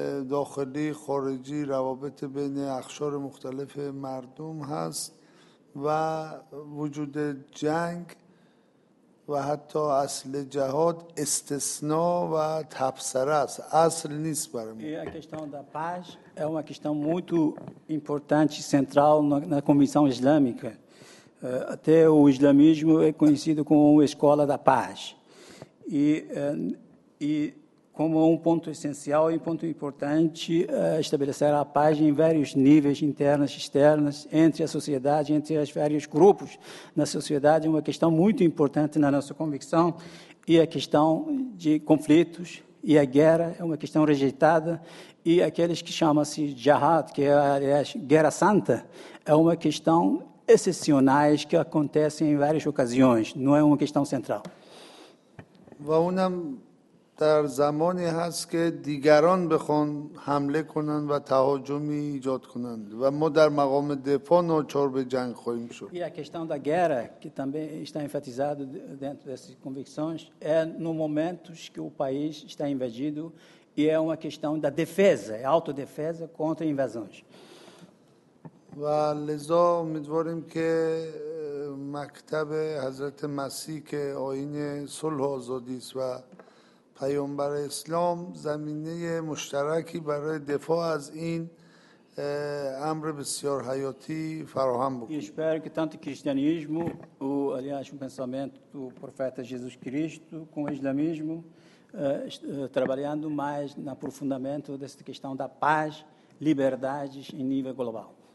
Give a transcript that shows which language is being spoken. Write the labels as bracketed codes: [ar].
[fa] داخلی، خارجی، روابط بین اقشار مختلف مردم هست و وجود جنگ و حتی اصل جهاد استثناء و تبصره است، اصل نیست برای ما. [pt] E a questão da paz é uma questão muito importante, central na Comissão Islâmica. Até o islamismo é conhecido como a escola da paz. E como um ponto essencial e um ponto importante, estabelecer a paz em vários níveis internos e externos, entre a sociedade, entre os vários grupos na sociedade, é uma questão muito importante na nossa convicção. E a questão de conflitos e a guerra é uma questão rejeitada. E aqueles que chamam-se jihad, que é, aliás, guerra santa, é uma questão excepcionais que acontecem em várias ocasiões, não é uma questão central. [fa] و اونم در زمانی هست که دیگران بخوان حمله کنن و تهاجمی ایجاد کنند و ما در مقام دفاع ناچار به جنگ خواهیم شد. [pt] E a questão da guerra, que também está enfatizado dentro dessas convicções, é no momento que o país está invadido e é uma questão da defesa, autodefesa contra invasões. [fa] و لذا امیدواریم که مکتب حضرت مسیح که آیین صلح و آزادی است و پیامبر اسلام زمینه مشترکی برای دفاع از این امر بسیار حیاتی فراهم بکنه. [pt] Espero que tanto o cristianismo, ou aliás o pensamento do profeta Jesus Cristo, com o islamismo, trabalhando mais no aprofundamento dessa questão da paz, liberdades em nível global.